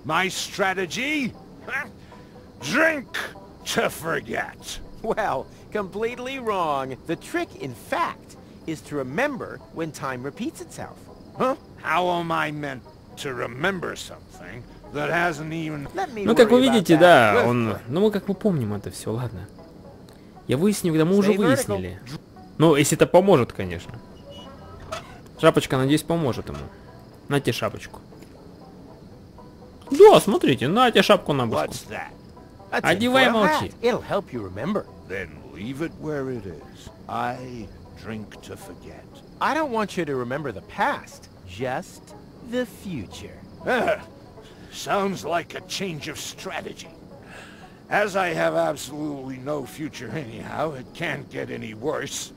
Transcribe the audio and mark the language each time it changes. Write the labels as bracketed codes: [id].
[en] My strategy? Drink to forget. Well, completely wrong. The trick, in fact, is to remember when time repeats itself. Huh? How am I meant to remember something? That hasn't even... [ru] Ну, как вы видите, да, он... Ну, мы как мы помним это все, ладно. Я выясню, да мы уже выяснили. Ну, если это поможет, конечно. Шапочка, надеюсь, поможет ему. Нате шапочку. Да, смотрите, нате шапку на бушку. Одевай, молчи. [en] Then leave it where it is. I drink to forget. I don't want you to remember the past, just the future. Sounds like a change of strategy. As I have absolutely no future anyhow, it can't get any worse.